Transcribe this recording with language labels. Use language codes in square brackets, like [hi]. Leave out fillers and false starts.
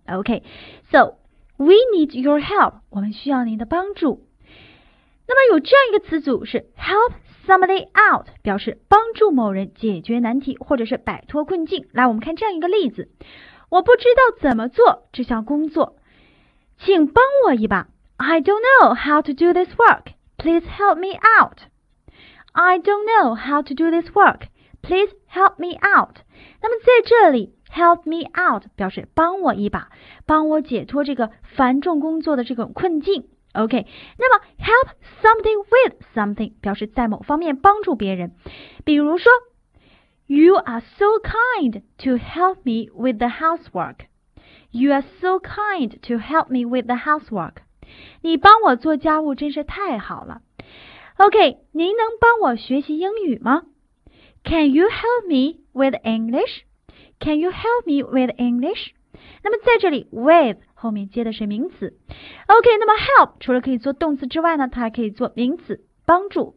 [en] OK, so we need your help. [zh] 我们需要您的帮助。那么有这样一个词组是 help. Somebody out 表示帮助某人解决难题或者是摆脱困境。来，我们看这样一个例子。我不知道怎么做这项工作，请帮我一把。 [en] I don't know how to do this work. Please help me out. I don't know how to do this work. Please help me out. [zh] 那么在这里 ，help me out 表示帮我一把，帮我解脱这个繁重工作的这种困境。 [en] OK， [zh] 那么 [en] help something with something [zh] 表示在某方面帮助别人，比如说 [en] ，You are so kind to help me with the housework. You are so kind to help me with the housework. [zh] 你帮我做家务真是太好了。 [en] OK， [zh] 您能帮我学习英语吗 [en] ？Can you help me with English? Can you help me with English? [zh] 那么在这里 [en] with。 [zh] 后面接的是名词 ，OK。那么 help 除了可以做动词之外呢，它还可以做名词，帮助。